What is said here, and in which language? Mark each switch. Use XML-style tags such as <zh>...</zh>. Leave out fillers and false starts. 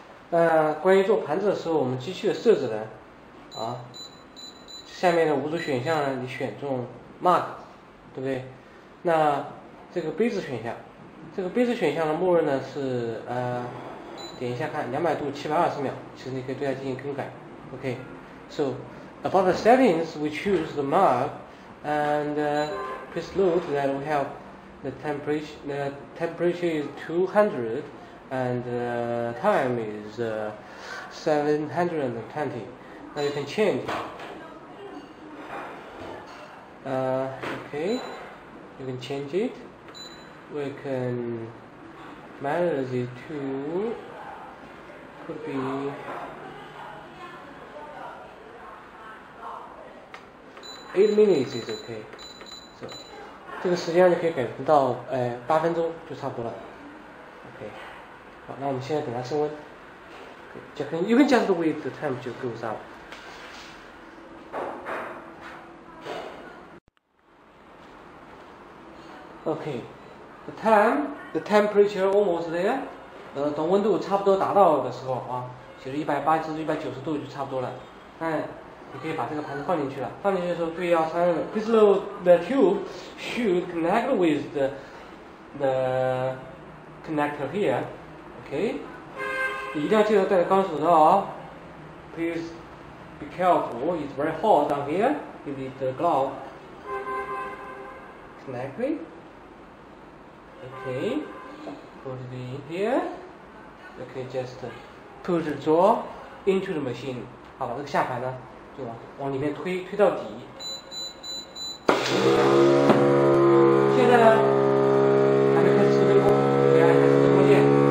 <zh>那关于做盘子的时候，我们机器的设置呢？下面的五组选项呢，你选中 mark， 对不对？那这个杯子选项，这个杯子选项的默认呢是点一下看200度720秒，其实你可以对它进行更改。</zh> <en>OK， so about the settings, we choose the mark, and please note that we have the temperature is 200, and time is 720. Now you can change. Okay, you can change it. We can manage it to could be 8 minutes is okay. So,</en> <zh>这个时间就可以改成到8分钟就差不多了。 Okay, 好，那我们现在等它升温。</zh> <en>Okay, even just with the time just goes up. Okay, the temperature almost there.</en> <zh>等温度差不多达到的时候啊，其实180至190度就差不多了。那你可以把这个盘子放进去了。放进去的时候，注意要穿。</zh> <en>This little tube should connect with the connector here.</en> <zh>Okay, 你一定要记得戴着钢手套哦。</zh> <en>Please be careful. It's very hot down here. You need the glove. Connect it. Okay, put it in here. Okay, just put the drawer into the machine.</en> <zh>好，把这个下盘呢，就往里面推，推到底。现在呢，还没开始抽真空，给大家开始抽空键。</zh>